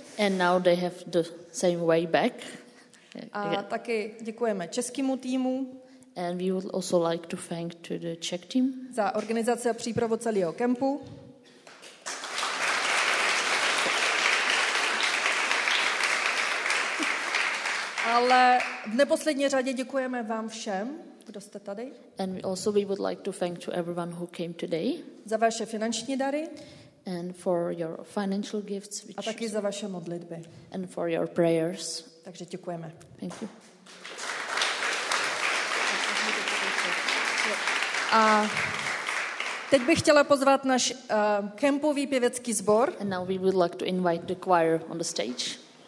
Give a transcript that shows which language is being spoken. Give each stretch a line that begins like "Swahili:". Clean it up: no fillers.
English: And now they have the same way back.
Czech: A taky děkujeme českému týmu.
English: And we would also like to thank to the Czech team.
Czech: Za organizaci a přípravu celého kempu. Ale v neposlední řadě děkujeme vám všem, kdo jste tady.
English: And also we would like to thank to everyone who came today.
Czech: Za vaše finanční dary.
English: And for your financial gifts.
Czech: A taky za vaše modlitby.
English: And for your prayers.
Czech: Takže děkujeme.
English: Thank you.
Czech: A teď bych chtěla pozvat náš kempový pěvecký sbor.
English: And now we would like to invite the choir on the stage.